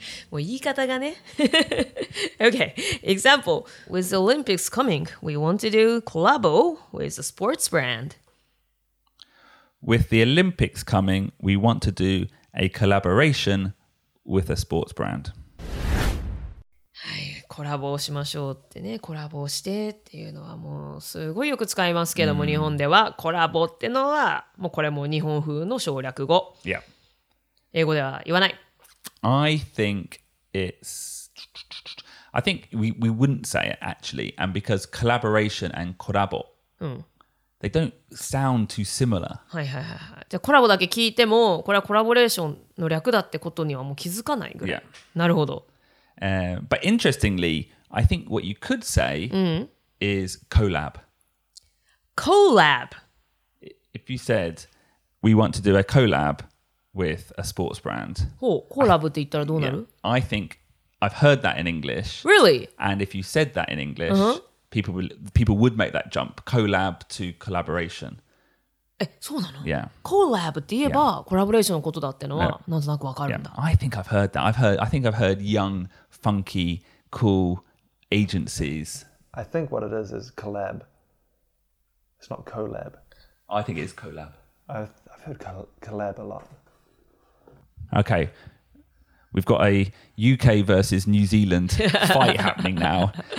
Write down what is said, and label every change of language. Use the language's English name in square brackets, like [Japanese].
[Japanese] もう言い方がね。 [English] okay, example. With the Olympics coming, we want to do collabo with a sports brand. With the Olympics coming, we want to do a collaboration with a sports brand. [Japanese] はい、コラボをしましょうってね、コラボをしてっていうのはもうすごいよく使いますけども、日本ではコラボってのはもうこれも日本風の省略語。 [English] Yeah. [Japanese] 英語では言わない。 [English] I think... I think we wouldn't say it actually, and because collaboration and collabo, they don't sound too similar. [Japanese] はいはいはい。じゃあコラボだけ聞いても、これはコラボレーションの略だってことにはもう気づかないぐらい。 [English] Yeah. [Japanese] なるほど。 [English] But interestingly, I think what you could say is collab. Collab. If you said we want to do a collab. With a sports brand. [Japanese] Oh, collab って言ったらどうなる? [English] I think I've heard that in English. Really? And if you said that in English, people would make that jump. Collab to collaboration. [Japanese] そうなの? [English] Yeah. [Japanese] Collab って言えば、コラボレーションのことだってのは、なんとなくわかるんだ。 [English] Yeah. I think I've heard that. I think I've heard young, funky, cool agencies. I think what it is collab. It's not collab. I think it is collab. I've heard collab a lot. Okay, we've got a UK versus New Zealand fight happening now.